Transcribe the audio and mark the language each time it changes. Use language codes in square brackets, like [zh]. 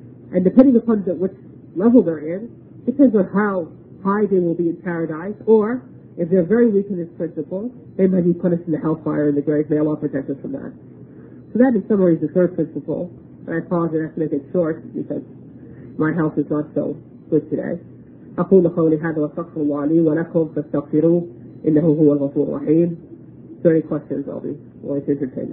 [en] And depending upon which level they're in, depends on how high they will be in paradise, or if they're very weak in this principle, they might be punished in the hellfire and the grave. May Allah protect us from that. So that in summary is the third principle. And I pause and have to make it short because my health is not so good today. [ar] أقول قولي هذا وأستغفر الله لي ولكم فاستغفروه إنه هو الغفور الرحيم. [en] If there are any questions, I'll be always entertained.